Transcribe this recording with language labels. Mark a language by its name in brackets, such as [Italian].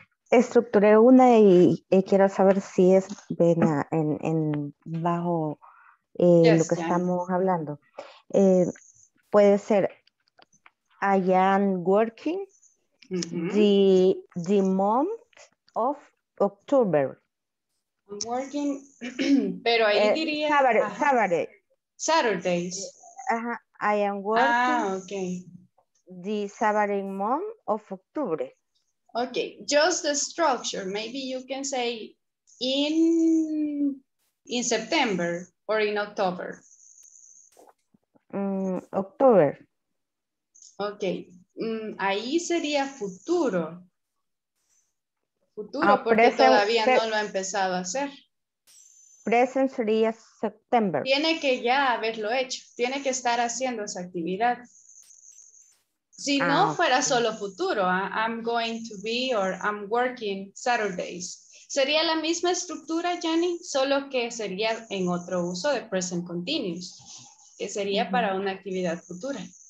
[Spanish] Estructuré una y quiero saber si es en bajo lo que estamos hablando. Puede ser [English] I am working the month of October. I'm working, [Spanish] pero ahí diría Saturdays. [English] I am working. Ah, okay. The Saturday month of October. Okay, just the structure. Maybe you can say in September or in October. October. [Spanish] Okay. Ahí sería futuro. Futuro, porque present, todavía no lo ha empezado a hacer. Present sería September. Tiene que ya haberlo hecho. Tiene que estar haciendo esa actividad. Si no fuera solo futuro, [English] I'm going to be or I'm working Saturdays. [Spanish] ¿Sería la misma estructura, Jenny? Solo que sería en otro uso de present continuous, que sería para una actividad futura.